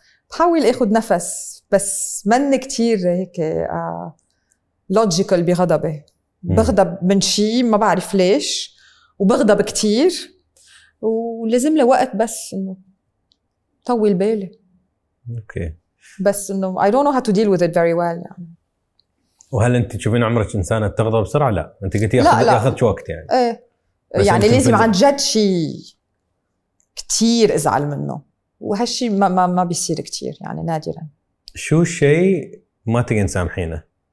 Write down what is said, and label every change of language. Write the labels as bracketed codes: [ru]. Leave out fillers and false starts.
[ar] بحاول أخذ نفس، بس من كتير هيك logical بغضبه. بغضب من شيء ما بعرف ليش، وبغضب كتير، ولازم له وقت بس إنه طول بالي. أوكي. بس إنه [en] I don't know how to deal with it very well. [ar] يعني. وهل انت تشوفين عمرك انسانه تغضب بسرعه؟ لا، انت قلتي اخذت وقت يعني. ايه يعني لازم عن جد شيء كثير ازعل منه، وهالشيء ما ما ما بيصير كثير يعني نادرا. شو الشيء ما تقدرين تسامحينه؟